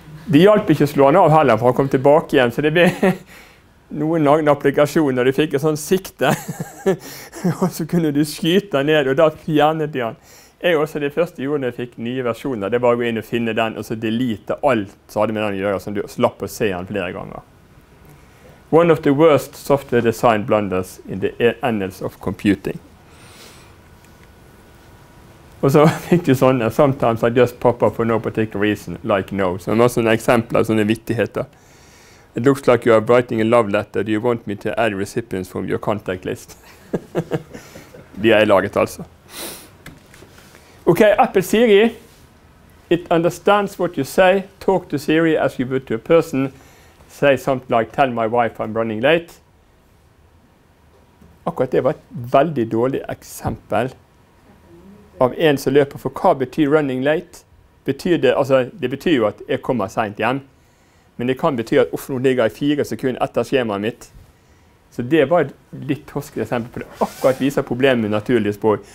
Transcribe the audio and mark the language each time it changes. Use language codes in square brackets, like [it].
[no] Det hjalp ikke å slå han av heller, for han kom tilbake igjen, så det ble... Noen lagde en applikasjon når du fikk en sånn sikte, og så kunne du skyte den ned, og da fjernet de den. Jeg også, det første gjorde når jeg fikk nye versjoner, det var å gå inn og finne den, og så delete alt, så hadde med den å gjøre, sånn du slapp å se den flere ganger. [en] One of the worst software design blunders in the annals of computing. [no] Og så fikk du sånne, [en] sometimes I just pop up for no particular reason, like no. [no] Så det var sånne eksempler, sånne vittigheter. [en] It looks like you are writing a love letter. Do you want me to add recipients from your contact list? [no] De har jeg laget, altså. [en] Okay, Apple Siri, it understands what you say. Talk to Siri as you would to a person. Say something like, tell my wife I'm running late. [no] Akkurat det var et veldig dårlig eksempel av en som løper, for hva betyr running late? Betyr det, altså, det betyr jo at jeg kommer sent hjem, men det kan bety at nå ligger jeg 4 sekunder etter skjemaet mitt. Så det var et litt toskere eksempel, for det akkurat viser problemet med naturlig språk.